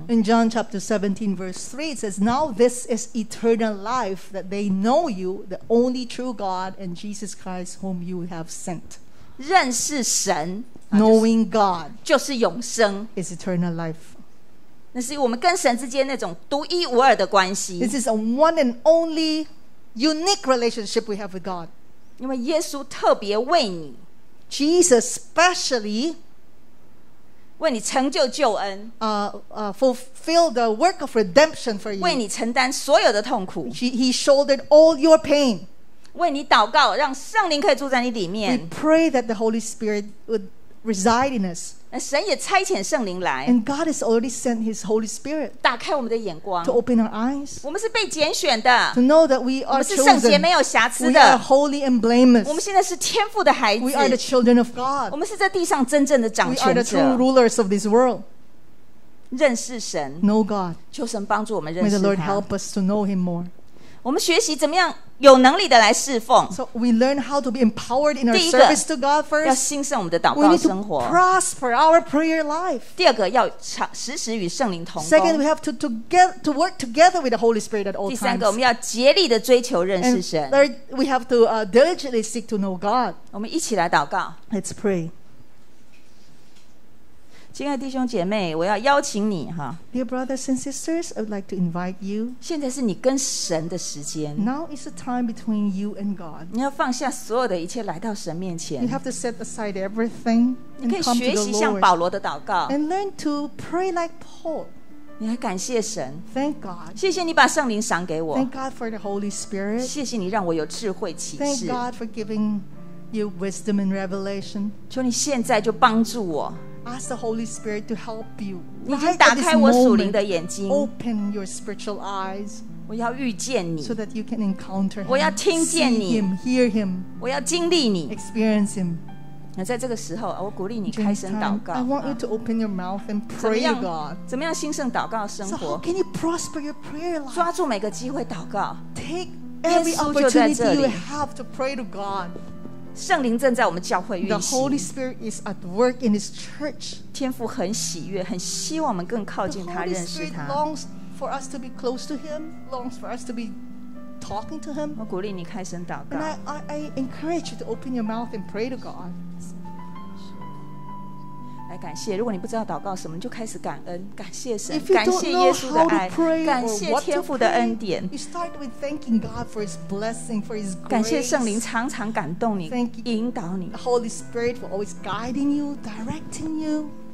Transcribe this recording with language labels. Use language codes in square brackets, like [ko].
[en] In John chapter 17 verse 3 it says Now this is eternal life that they know you the only true God and Jesus Christ whom you have sent [zh] 认识神 [en] Knowing God [zh] 就是永生 [en] is eternal life [zh] 那是我们跟神之间那种独一无二的关系 [en] This is a one and onlyunique relationship we have with God [zh] 因为耶稣特别为你 [en] Jesus specially [zh] 为你成就救恩 [en] fulfill the work of redemption for you [zh] 为你承担所有的痛苦 [en] He shouldered all your pain [zh] 为你祷告让圣灵可以住在你里面 [en] We pray that the Holy Spirit would reside in us [zh] 神也差遣圣灵来 [en] And God has already sent his Holy Spirit [zh] 打开我们的眼光 [en] To open our eyes [zh] 我们是被拣选的 [en] To know that we are chosen [zh] 我们是圣洁没有瑕疵的 [en] We are holy and blameless [zh] 我们现在是天父的孩子 [en] We are the children of God [zh] 我们是在地上真正的掌权者 [en] We are the true rulers of this world [zh] 认识神 [en] Know God [zh] 求神帮助我们认识他 [en] May the Lord help us to know him more [zh] 我们学习怎么样有能力的来侍奉 [en] So we learn how to be empowered in our service to God first [zh] 要兴盛我们的祷告生活 [en] We need to prosper our prayer life [zh] 第二个要时时与圣灵同工 [en] Second we have to work together with the Holy Spirit at all times [zh] 第三个我们要竭力的追求认识神 [en] And third, we have to diligently seek to know God [zh] 我们一起来祷告 [en] Let's pray [zh] 亲爱弟兄姐妹我要邀请你 [en] Dear brothers and sisters I would like to invite you [zh] 现在是你跟神的时间 [en] Now is the time between you and God [zh] 你要放下所有的一切来到神面前 [en] You have to set aside everything [zh] 你可以学习像保罗的祷告 [en] And learn to pray like Paul [zh] 你来感谢神 [en] Thank God [zh] 谢谢你把圣灵赏给我 [en] Thank God for the Holy Spirit [zh] 谢谢你让我有智慧启示 [en] Thank God for giving you wisdom and revelation [zh] 求你现在就帮助我 [en] Ask the Holy Spirit to help you. [zh] 你已经打开我属灵的眼睛。 [en] Open your spiritual eyes. [zh] 我要遇见你。 [en] So that you can encounter him. [zh] 我要听见你。 [en] See him, hear him. [zh] 我要经历你。 [en] Experience him. [zh] 那在这个时候，我鼓励你开声祷告。 [en] I want you to open your mouth and pray God. [zh] 怎么样兴盛祷告生活 [en] ？So how can you prosper your prayer life? [zh] 抓住每个机会祷告。 [en] Take every opportunity you have to pray to God. [zh] 圣灵正在我们教会运行 [en] The Holy Spirit is at work in His church [zh] 天父很喜悦很希望我们更靠近他认识他 [en] The Holy Spirit longs for us to be close to Him longs for us to be talking to him. [zh] 我鼓励你开声祷告。 [en] And I encourage you to open your mouth and pray to God. [zh] 来感谢, 如果你不知道祷告什么, 就开始感恩, 感谢神, [en] if you don't know how to pray, [zh] 感谢天父的恩典, [en] or what to pray, you start with thanking God for His blessing, for His grace. [zh] 感谢圣灵常常感动你, [en] thank you, [zh] 引导你, [en] the Holy Spirit for always guiding you, directing you.